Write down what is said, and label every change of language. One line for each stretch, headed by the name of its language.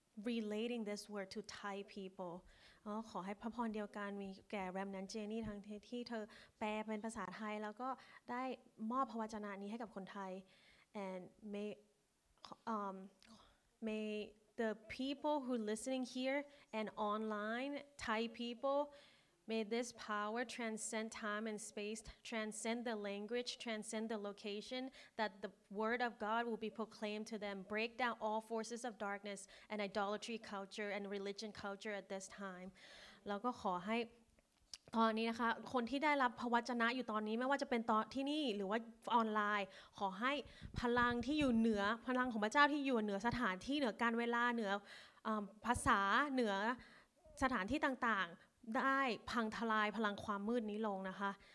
English: relating this word to Thai people
Thai: ขอให้พระพรเดียวกันมีแก่ remnant Janie ทั้งที่เธอแปลเป็นภาษาไทยแล้วก็ได้มอบพระวจนะนี้ให้กับคนไทย
English: and may the people who listening here and online Thai people May this power transcend time and space, transcend the language, transcend the location, that the word of God will be proclaimed to them. Break down all forces of darkness and idolatry culture and religion culture at this time.
Thai: แล้วก็ขอให้ตอนนี้นะคะคนที่ได้รับพระวจนะอยู่ตอนนี้ไม่ว่าจะเป็นตอนที่นี่หรือว่าออนไลน์ขอให้พลังที่อยู่เหนือพลังของพระเจ้าที่อยู่เหนือสถานที่เหนือการเวลาเหนือภาษาเหนือสถานที่ต่างๆได้พังทลายพลังความมืดนี้ลงนะคะ